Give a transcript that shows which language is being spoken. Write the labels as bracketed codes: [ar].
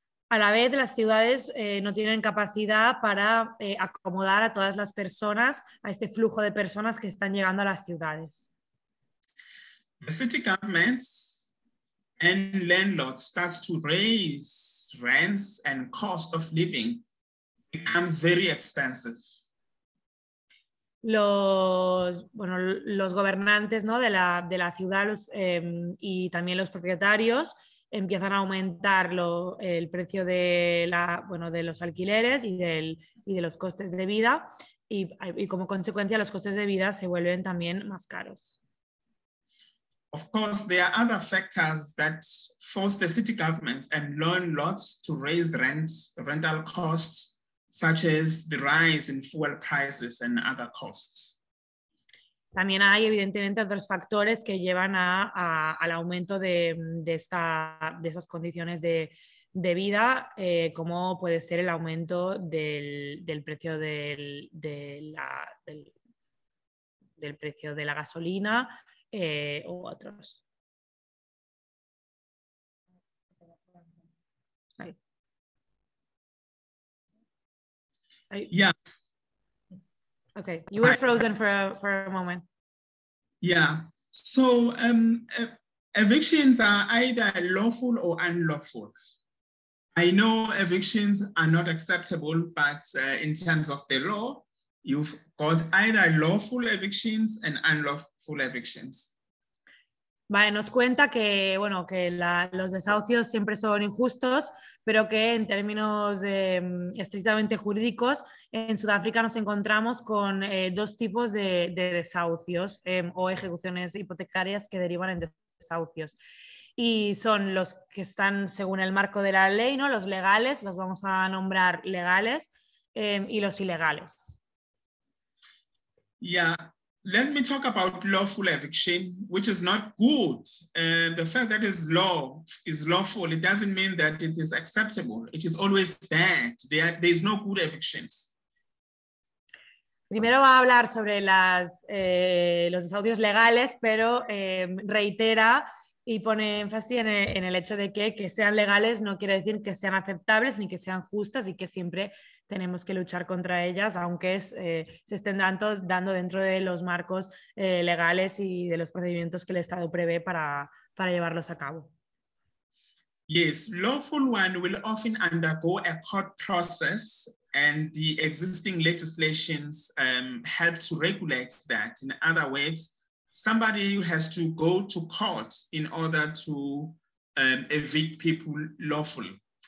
[es] A la vez, las ciudades no tienen capacidad para acomodar a todas las personas, a este flujo de personas que están llegando a las ciudades. [en] The city governments and landlords start to raise rents and cost of living becomes very expensive. [es] Los gobernantes, ¿no?, de la ciudad y también los propietarios empiezan a aumentar el precio de los alquileres y de los costes de vida y como consecuencia los costes de vida se vuelven también más caros. [en] Of course, there are other factors that force the city governments and landlords to raise rental costs, such as the rise in fuel prices and other costs. [es] También hay evidentemente otros factores que llevan al aumento de esas condiciones de vida, como puede ser el aumento del precio del precio de la gasolina u otros. Yeah. [en] Okay, you were frozen for a moment. Yeah, so evictions are either lawful or unlawful. I know evictions are not acceptable, but in terms of the law, you've got either lawful evictions and unlawful evictions. [es] Vale, nos cuenta que los desahucios siempre son injustos, pero que en términos estrictamente jurídicos, en Sudáfrica nos encontramos con dos tipos de desahucios o ejecuciones hipotecarias que derivan en desahucios. Y son los que están según el marco de la ley, ¿no? Los legales, los vamos a nombrar legales, y los ilegales. Yeah. [en] Let me talk about lawful eviction, which is not good. The fact that is lawful, it doesn't mean that it is acceptable. It is always bad. There is no good evictions. [es] Primero va a hablar sobre los desahucios legales, pero reitera y pone énfasis en el hecho de que sean legales no quiere decir que sean aceptables ni que sean justas y que siempre tenemos que luchar contra ellas, aunque se estén dando dentro de los marcos legales y de los procedimientos que el Estado prevé para llevarlos a cabo. [en] Yes, lawful one will often undergo a court process and the existing legislations help to regulate that. In other words, somebody has to go to court in order to evict people lawfully.